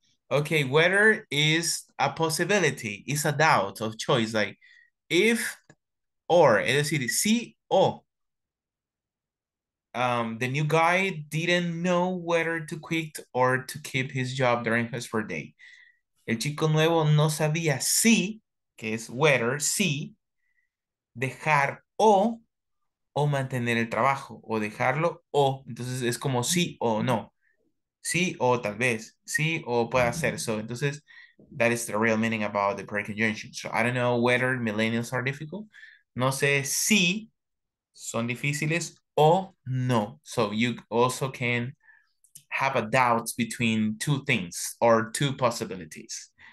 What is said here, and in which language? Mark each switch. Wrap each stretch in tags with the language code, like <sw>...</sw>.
<en>Okay, whether is a possibility, is a doubt of choice. Like if or,</en> <es>es decir, si o.</es> <en>The new guy didn't know whether to quit or to keep his job during his birthday.</en> <es>El chico nuevo no sabía si, que es whether, si, dejar o mantener el trabajo, o dejarlo, o. Entonces es como sí o no. Sí o tal vez. Sí o puede hacer.</es> <en>So,</en> <es>entonces,</es> <en>that is the real meaning about the preconjunction. So, I don't know whether millennials are difficult.</en> <es>No sé si son difíciles o no.</es> <en>So, you also can have a doubt between two things or two possibilities.</en>